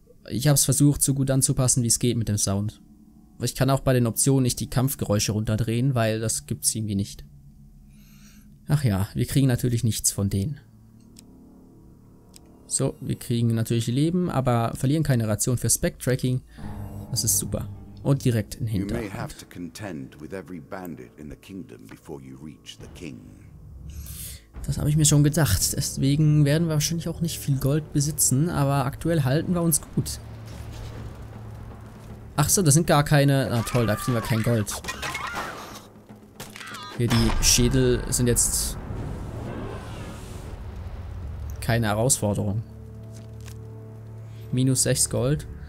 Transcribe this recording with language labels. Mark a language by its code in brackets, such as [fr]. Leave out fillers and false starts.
[de] Ich habe es versucht, so gut anzupassen, wie es geht mit dem Sound. Ich kann auch bei den Optionen nicht die Kampfgeräusche runterdrehen, weil das gibt es irgendwie nicht. Ach ja, wir kriegen natürlich nichts von denen. So, wir kriegen natürlich Leben, aber verlieren keine Ration für Spectracking. Das ist super. Und direkt in Hinterhand. [en] You may have to contend with every bandit in the kingdom before you reach the king. [de] Das habe ich mir schon gedacht. Deswegen werden wir wahrscheinlich auch nicht viel Gold besitzen, aber aktuell halten wir uns gut. Ach so, das sind gar keine. Na toll, da kriegen wir kein Gold. Hier, die Schädel sind jetzt keine Herausforderung. Minus 6 Gold.